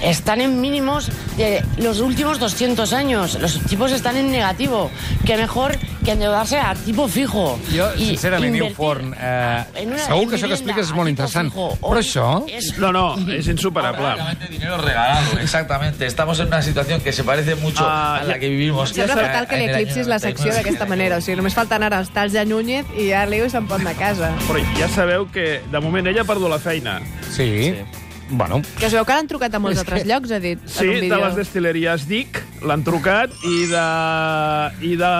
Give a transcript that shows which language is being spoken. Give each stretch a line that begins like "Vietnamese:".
Spanish: Están en mínimos de los últimos 200 años. Los tipos están en negativo. Qué mejor que endeudarse a tipo fijo.
Catalan: Jo, sincerament, New Forn, segur que això que expliques és molt interessant. Però això... No, és insuperable.
Spanish: Dinero regalado, exactamente. Estamos en una situación que se parece mucho a la que vivimos.
Catalan: Sembla fatal que li eclipsis la secció d'aquesta manera. O sigui, només falten ara els talls de Núñez i ja l'Iu se'n pot anar a casa. Però ja sabeu que, de moment, ella ha perdut la feina. Sí. Bueno. Que es veu que l'han trucat a molts altres llocs, ha dit. Sí, en un de les destileries Dic, l'han trucat, i de...